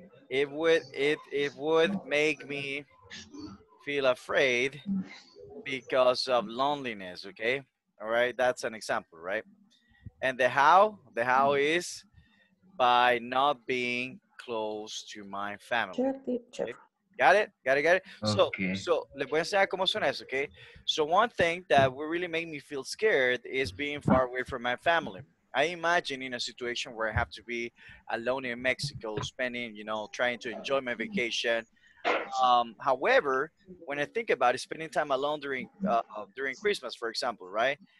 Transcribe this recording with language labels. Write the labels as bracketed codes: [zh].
[en] It would make me feel afraid because of loneliness, okay? All right, that's an example, right? And the how is by not being close to my family. Okay? Got it? [es] So le voy a enseñar cómo suena eso, okay? [en] So one thing that would really make me feel scared is being far away from my family. I imagine in a situation where I have to be alone in Mexico, spending, you know, trying to enjoy my vacation. However, when I think about it, spending time alone during Christmas, for example, right?